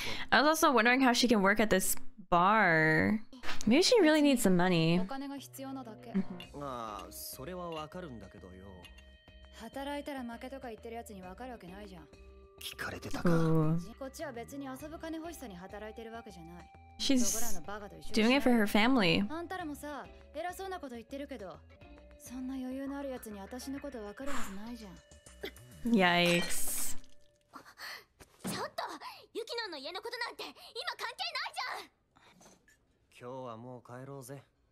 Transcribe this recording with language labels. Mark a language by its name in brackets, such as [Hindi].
[English] I was also wondering how she can work at this bar. Maybe she really needs some money. [Japanese] お金が必要なだけ。まあ、それはわかるんだけどよ。働いたら負けとか言ってるやつにわかるわけないじゃん。聞かれてたか。こっちは別に遊ぶ金欲しさに働いてるわけじゃない。 [English] She's doing it for her family. [Japanese] あんたらもさ、偉そうなこと言ってるけど、そんな余裕のあるやつに私のことわかるはずないじゃん。 [English] Yikes. [Japanese] ちょっとユキノの家のことなんて今関係ないじゃん。今日はもう帰ろうぜ。